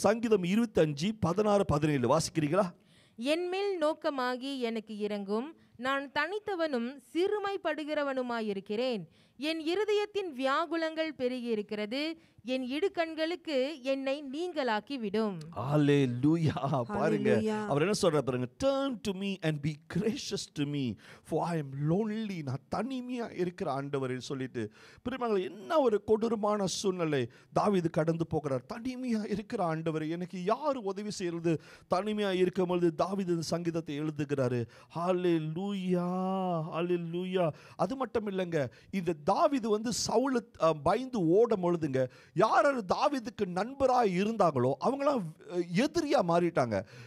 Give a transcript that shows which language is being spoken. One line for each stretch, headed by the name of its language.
Tamil: சங்கீதம் 25:16-17 வாசிக்கிறீங்களா? என் மேல் நோக்கமாகி எனக்கு இறங்கும், நான் தனித்தவனும் சிறுமைப்படுகிறவனுமாயிருக்கிறேன். என் இருதயத்தின் வியாகுலங்கள் பெருகியிருக்கிறது, என் இடுக்கண்களுக்கு என்னை நீங்களாக்கி விடும். ஹல்லேலூயா. பாருங்க அவர் என்ன சொல்றாரு பாருங்க,
English: Turn to me and be gracious to me, for I am lonely.
Tamil: நான் தனிமையா இருக்கிற ஆண்டவரே சொல்லிட்டு பிரியமங்களே, என்ன ஒரு கொடூரமான சூழ்நிலை தாவீது கடந்து போகிறார். தனிமையா இருக்கிற ஆண்டவரே, எனக்கு யாரு உதவி செய்யறது? தனிமையா இருக்கும் பொழுது தாவீது இந்த சங்கீதத்தை எழுதுகிறாரு. ஹல்லேலூயா, ஹல்லேலூயா. அது மட்டும் இல்லைங்க, இந்த தாவீது வந்து சவுல பயந்து ஓடும் பொழுதுங்க, யாராவது தாவீதுக்கு நண்பராக இருந்தாங்களோ அவங்களாம் எதிரியாக மாறிட்டாங்க.